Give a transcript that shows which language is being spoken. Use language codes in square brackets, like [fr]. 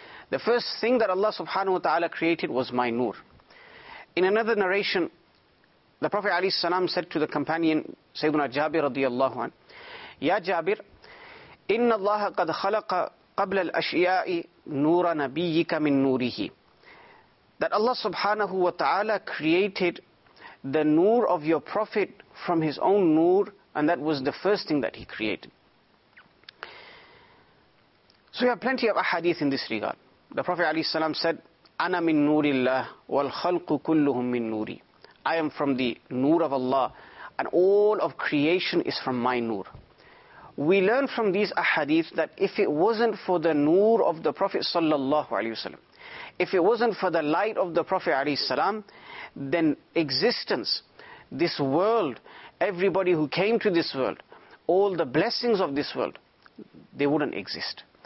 [en] The first thing that Allah subhanahu wa ta'ala created was my nur. In another narration, the Prophet ﷺ said to the companion, Sayyidina Jabir radiallahu anhu, Ya Jabir, [ar] إِنَّ اللَّهَ قَدْ خَلَقَ قَبْلَ الْأَشْيَاءِ نُورَ نَبِيِّكَ مِن نُورِهِ. [en] That Allah subhanahu wa ta'ala created the nur of your Prophet from his own nur, and that was the first thing that he created. So we have plenty of ahadith in this regard. The Prophet ﷺ said, [ar] أَنَا مِن نُورِ اللَّهِ وَالْخَلْقُ كُلُّهُم مِن نُورِي. [en] I am from the nur of Allah, and all of creation is from my nur. We learn from these ahadith that if it wasn't for the nur of the Prophet ﷺ, if it wasn't for the light of the Prophet ﷺ, then existence, this world, everybody who came to this world, all the blessings of this world, they wouldn't exist.